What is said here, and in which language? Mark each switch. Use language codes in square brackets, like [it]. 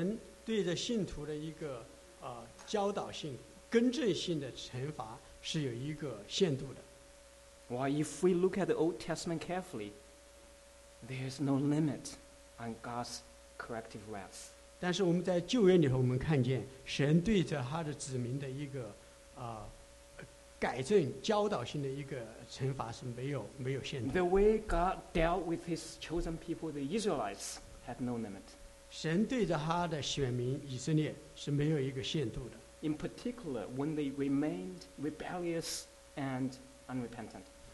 [zh] 第二个迷思就认为神对着信徒的一个, 教导性, 更正性的惩罚是有一个限度的。 [en] Well, if we look at the Old Testament carefully, there is no limit on God's corrective wrath. [zh] 但是我们在旧约里头，我们看见神对着他的子民的一个, 改正教导性的一个惩罚是没有限度的。 [en] The way God dealt with His chosen people, the Israelites, had no limit. [zh] 神对着他的选民以色列是没有一个限度的。 [en] In particular, when they remained rebellious and unrepentant.